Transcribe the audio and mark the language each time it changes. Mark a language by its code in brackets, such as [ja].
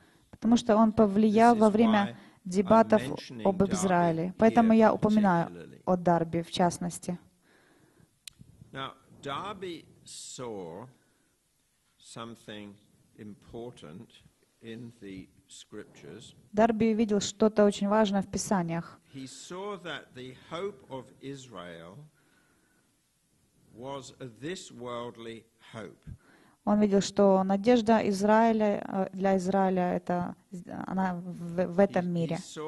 [ru] Потому что он повлиял во время дебатов об Израиле. Поэтому я упоминаю о Дарби в частности. [en] Now, Darby saw something important in the scriptures. [ru] Дарби видел что-то очень важное в Писаниях. [en] He saw that the hope of Israel was a this worldly hope. [ru] Он видел, что надежда Израиля, для Израиля, это она в этом мире.